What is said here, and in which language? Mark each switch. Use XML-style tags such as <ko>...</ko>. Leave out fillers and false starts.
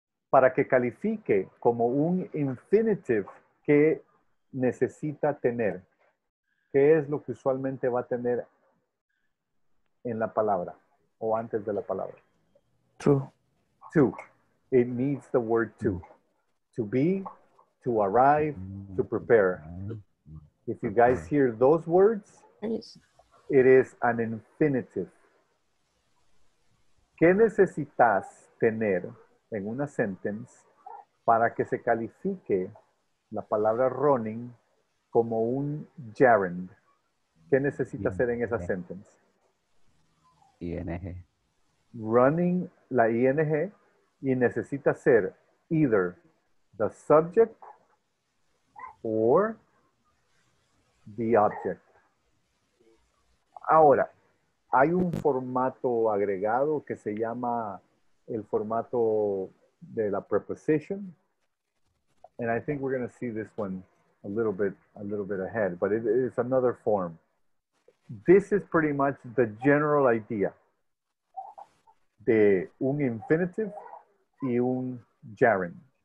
<es>Para que califique como un infinitive, ¿qué necesita tener? ¿Qué es lo que usualmente va a tener en la palabra o antes de la palabra?</es> <en>To. To. It needs the word to. To be, to arrive, to prepare. If you guys hear those words, It is an infinitive.</en> <es>¿Qué necesitas tener en una sentence para que se califique la palabra running como un gerund? ¿Qué necesitas hacer en esa sentence?</es> <en>ING. Running, la ING,</en> <es>y necesita ser</es> <en>either the subject or the object.</en> <es>Ahora, hay un formato agregado que se llama el formato de la preposición.</es> <en>And I think we're going to see this one a little bit ahead, but it's another form. This is pretty much the general idea</en> <es>de un</es> <en>infinitive y un gerund.</en>